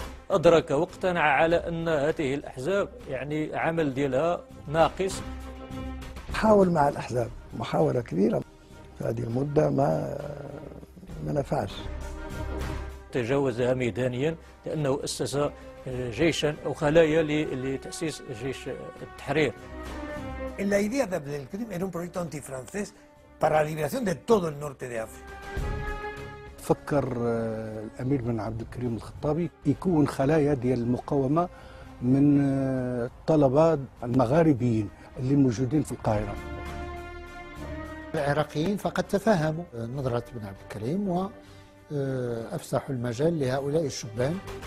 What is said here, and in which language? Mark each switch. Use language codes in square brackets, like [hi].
[ar] أدرك واقتنع على أن هذه الأحزاب يعني عمل ديالها ناقص. حاول مع الأحزاب محاولة كبيرة، في هذه المدة ما نفعش. تجاوزها ميدانيا لأنه أسس جيشا أو خلايا لتأسيس جيش التحرير. [es] La idea de Abdel Karim era un proyecto antifrancés para la liberación de todo el norte de África. [ar] فكر الأمير بن عبد الكريم الخطابي يكون خلايا ديال المقاومة من الطلبة المغاربيين اللي موجودين في القاهرة. العراقيين فقد تفهموا نظرة بن عبد الكريم و أفسحوا المجال لهؤلاء الشبان.